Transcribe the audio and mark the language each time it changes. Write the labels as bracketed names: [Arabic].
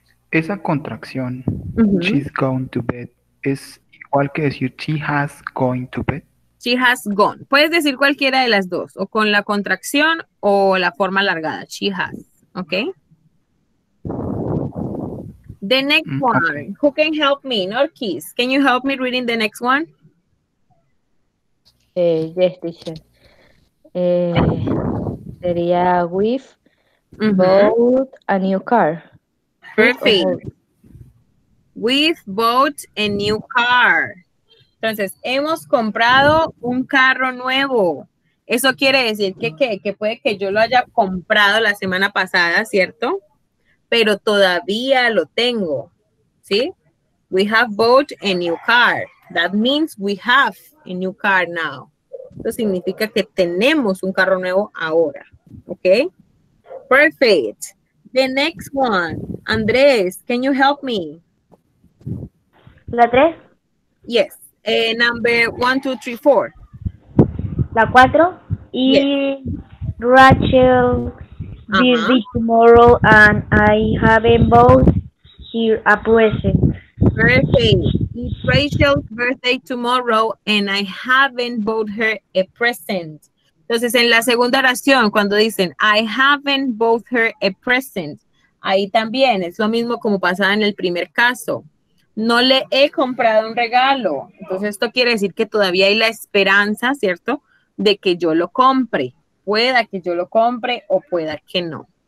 [Spanish] Esa contracción, uh-huh, [English] she's gone to bed, [Spanish] es igual que decir [English] she has gone to bed. She has gone. [Spanish] Puedes decir cualquiera de las dos, o con la contracción o la forma alargada, [English] she has, [Spanish] ¿ok? [English] The next one, who can help me? Norquis, can you help me reading the next one? Yes, teacher. Sería bought a new car. Perfect. We've bought a new car. [Spanish] Entonces, hemos comprado un carro nuevo. Eso quiere decir que puede que yo lo haya comprado la semana pasada, ¿cierto? Pero todavía lo tengo, ¿sí? [English] We have bought a new car. That means we have a new car now. [Spanish] Eso significa que tenemos un carro nuevo ahora, ¿ok? [English] Perfect. The next one. Andrés, can you help me? [Spanish] ¿La tres? [English] Yes. Number 1, 2, 3, 4. [Spanish] La cuatro. Y [English] yes. Rachel, busy tomorrow and I have a boat here a present. Perfect. It's Rachel's birthday tomorrow and I haven't bought her a present. [Spanish] Entonces, en la segunda oración, cuando dicen [English] I haven't bought her a present, [Spanish] ahí también es lo mismo como pasaba en el primer caso. No le he comprado un regalo. Entonces, esto quiere decir que todavía hay la esperanza, ¿cierto? De que yo lo compre. Pueda que yo lo compre o pueda que no.